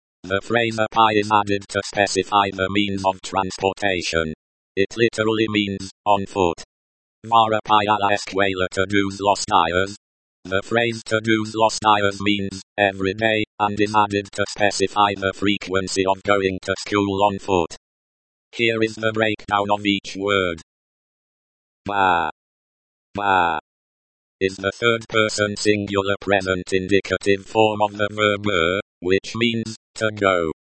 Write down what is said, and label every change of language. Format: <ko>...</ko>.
<en>The phrase a pie is added to specify the means of transportation. It literally means on foot.</en> <es>Va a pie a la escuela to dos los días.</es> <en>The phrase</en> <es>to dos los días</es> <en>means every day and is added to specify the frequency of going to school on foot. Here is the breakdown of each word. Va. Va. Is the third person singular present indicative form of the verb ir, which means to go.</en>